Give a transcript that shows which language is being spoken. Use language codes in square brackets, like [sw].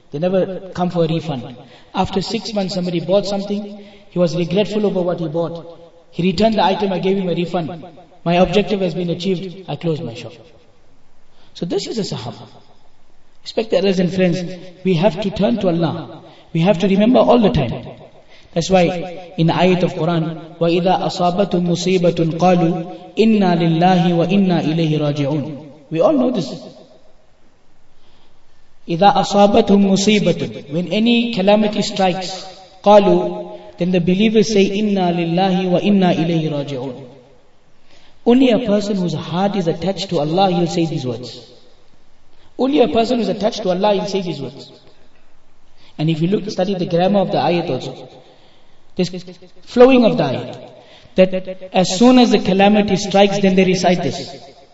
[en] They never come for a refund. After 6 months somebody bought something, he was regretful over what he bought. He returned the item, I gave him a refund. My objective has been achieved, I closed my shop. So this is a Sahaba. Respected elders and friends, we have to turn to Allah. We have to remember all the time. That's why in the ayat of Quran, [ar] وَإِذَا أَصَابَتُمْ مُصِيبَةٌ قَالُوا إِنَّا لِلَّهِ وَإِنَّا إِلَيْهِ رَاجِعُونَ. [en] We all know this. [ar] إِذَا أَصَابَتُمْ مُصِيبَةٌ, [en] when any calamity strikes, [ar] قَالُوا, [en] then the believers say, [ar] إِنَّا لِلَّهِ وَإِنَّا إِلَيْهِ رَاجِعُونَ. [en] Only a person whose heart is attached to Allah, he'll say these words. Only a person who's attached to Allah, he'll say these words. And if you look, study the grammar of the ayat also, this flowing of the ayat, that as soon as the calamity strikes, then they recite this.